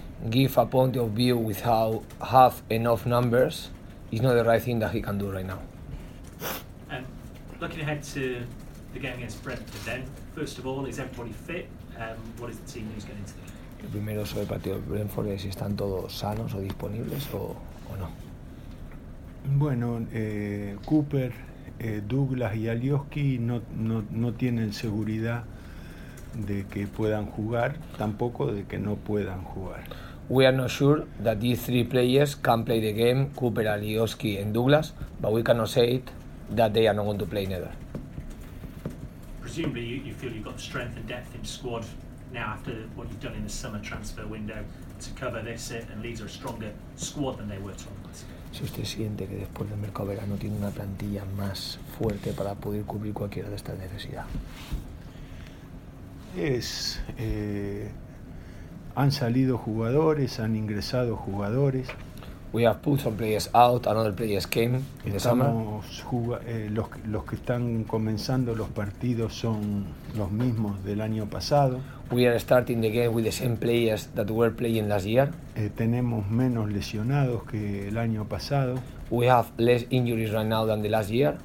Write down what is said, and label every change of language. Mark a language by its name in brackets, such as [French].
[English] Give a point of view without half enough numbers is not the right thing that he can do right now. Looking ahead to the game against Brentford then, first of all, is everybody fit? What is the team news going to be? [Spanish] El primero sobre el partido de Brentford es si están todos sanos o disponibles o no. Bueno, Cooper, Douglas y Alioski no tienen seguridad de que puedan jugar, tampoco de que no puedan jugar. [English] We are not sure that these 3 players can play the game, Cooper, Alioski and Douglas, but we cannot say it that they are not going to play neither. Presumably you feel you've got strength and depth in squad now after what you've done in the summer transfer window to cover this, and Leeds are a stronger squad than they were 12 months ago. [Spanish] Si usted siente que después del mercado verano tiene una plantilla más fuerte para poder cubrir cualquiera de estas necesidades. Han salido jugadores, han ingresado jugadores. [English] We have put some players out, another players came in the summer. [Spanish] Los que están comenzando los partidos son los mismos del año pasado. [English] We are starting the game with the same players that were playing last year. [Spanish] Tenemos menos lesionados que el año pasado. [English] We have less injuries right now than the last year.